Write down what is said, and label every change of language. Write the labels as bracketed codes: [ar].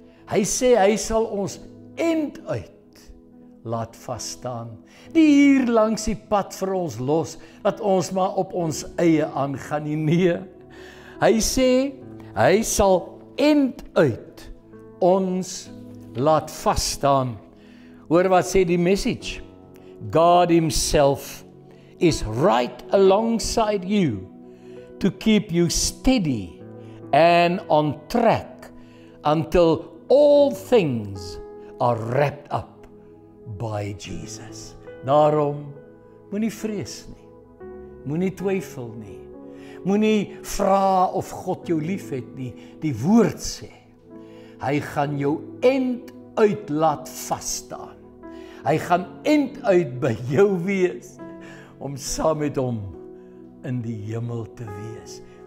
[af] Hy sê hy sal ons end uit laat vasstaan. Die hier langs die pad vir ons los, dat ons maar op ons eie aangaan nie. Nee. Hy sê hy sal end uit ons laat vasstaan. Hoor wat sê die message? [en] God himself is right alongside you to keep you steady and on track until all things are wrapped up by Jesus. [af] Daarom, moenie vrees nie. Moenie twyfel nie. Moenie vra of God jou lief het nie. Die woord sê, hy gaan jou end uit laat vasstaan. Hy gaan end uit by jou wees, om saam met hom in die hemel te wees.